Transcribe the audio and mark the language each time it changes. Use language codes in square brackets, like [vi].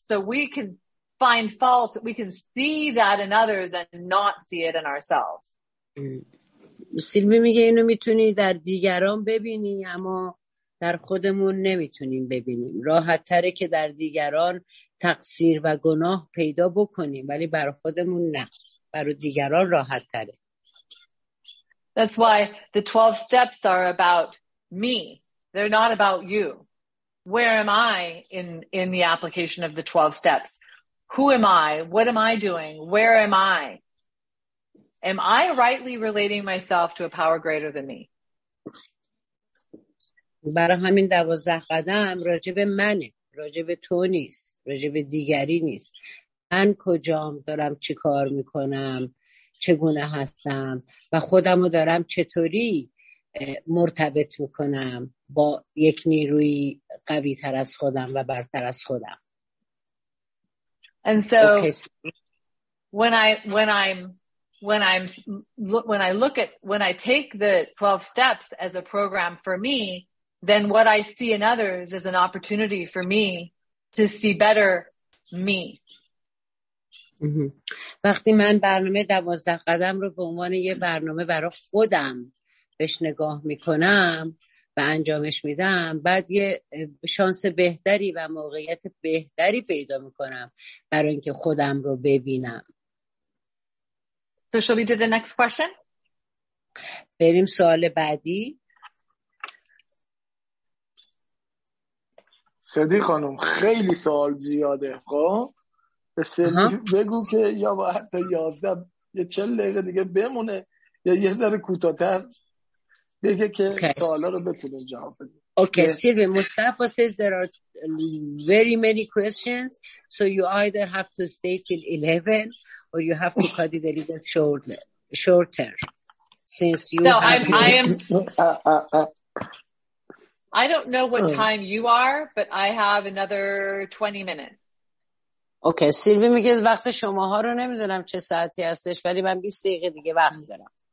[en] So we can find fault, we can see that in others and not see it in ourselves. [fa] سیلوی میگه اینو میتونی در دیگران ببینی اما در خودمون نمیتونیم ببینیم. راحت تره که در دیگران تقصیر و گناه پیدا بکنیم ولی برای خودمون نه. برای دیگران راحت تره. [en] That's why the 12 steps are about me. They're not about you. Where am I in the application of the 12 steps? Who am I? What am I doing? Where am I? Am I rightly relating myself to a power greater than me? [fa] برای همین 12 قدم راجب منه، راجب تو نیست، راجب دیگری نیست. من کجام، دارم چی کار میکنم، چگونه هستم و خودمو دارم چطوری مرتبط میکنم با یک نیروی قوی تر از خودم و برتر از خودم. [en] And so when I take the 12 steps as a program for me, then what I see in others is an opportunity for me to see better me. [fa] وقتی من برنامه 12 قدم رو به عنوان یه برنامه برای خودم بهش نگاه میکنم و انجامش میدم، بعد یه شانس بهتری و موقعیت بهتری پیدا میکنم برای اینکه خودم رو ببینم. [en] So shall we do the next question? [fa] بریم سوال بعدی. سدی خانم خیلی سوال زیاده. خب به سدی بگو که یا باید تا 11 یا 40 دقیقه دیگه بمونه یا یه ذره کوتاه‌تر بگه که سوالا رو بتونه جواب بده. [en] Okay, Silvia, Mustafa says there are very many questions, so you either have to stay till 11 or you have to cut it a little shorter, since you. I don't know what time you are, but I have another 20 minutes. [fa] Okay, Silvia, میگه وقت شماها رو نمیدونم چه ساعتی هستش، ولی من 20 دقیقه دیگه وقت دارم.